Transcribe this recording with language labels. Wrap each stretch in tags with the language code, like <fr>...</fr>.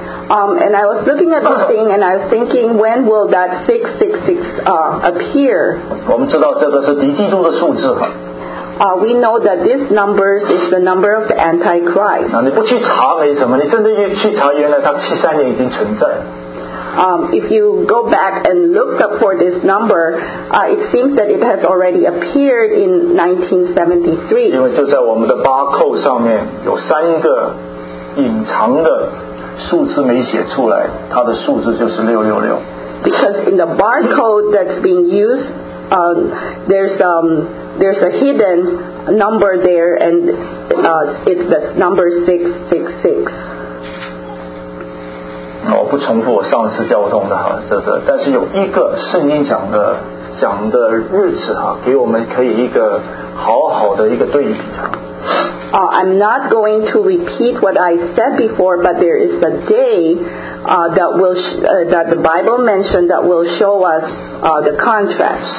<en>And I was looking at this thing and I was thinking, when will that 666 appear?</en> <zh>我们知道这个是敌基督的数字哈。</zh> <en>We know that this number is the number of the Antichrist.</en> <zh>你不去查没什么，你真的要去查，原来它73年已经存在。</zh> <en>If you go back and look up for this number, it seems that it has already appeared in 1973.</en> <zh>因为就在我们的barcode上面有三个隐藏的数字没写出来，它的数字就是666。</zh> <en>Because in the barcode that's being used, there's a hidden number there, and it's the number 666.</en> <zh>我不重复我上次交通的哈，这个，但是有一个圣经讲的日子哈，给我们可以一个好好的一个对比哈。</zh> <en>I'm not going to repeat what I said before, but there is a day that the Bible mentioned that will show us the contrast.</en>